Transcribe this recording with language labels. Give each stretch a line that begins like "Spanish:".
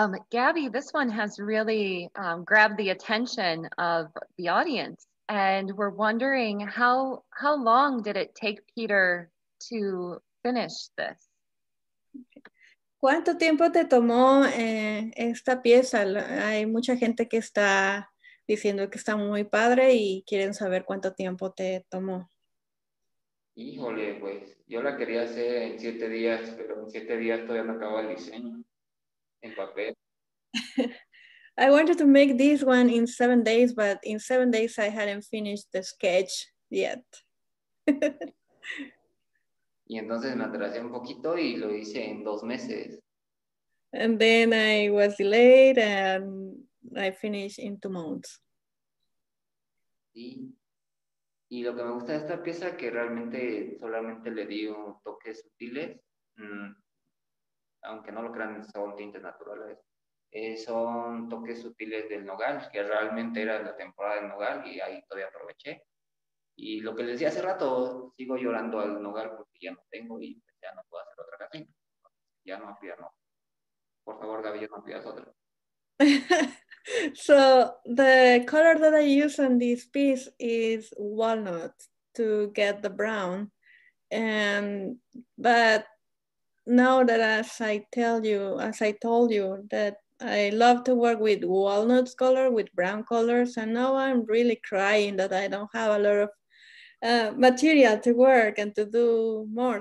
English: Gabby, this one has really grabbed the attention of the audience. And we're wondering how long did it take Peter to finish this?
Spanish: ¿Cuánto tiempo te tomó esta pieza? Hay mucha gente que está diciendo que está muy padre y quieren saber cuánto tiempo te tomó. Híjole, pues yo la quería hacer en 7 días, pero en 7 días todavía no acabó el diseño en papel.
English: I wanted to make this one in 7 days, but in 7 days I hadn't finished the sketch yet.
Spanish: Y entonces me atrasé un poquito y lo hice en 2 meses.
English: And then I was delayed and I finished in 2 months.
Spanish: Sí. Y lo que me gusta de esta pieza que realmente solamente le di toques sutiles, aunque no lo crean, son tintes naturales. Son toques sutiles del nogal, que realmente era la temporada del nogal y ahí todavía aproveché. Y lo que les decía hace rato, sigo llorando al nogal porque ya no tengo y ya no puedo hacer otra casita. Ya no pidas, no. Por favor, Gaby, no pidas otra.
English: So, the color that I use on this piece is walnut to get the brown. But now that as I told you that I love to work with walnut color, with brown colors, and now I'm really crying that I don't have a lot of material to work and to do more.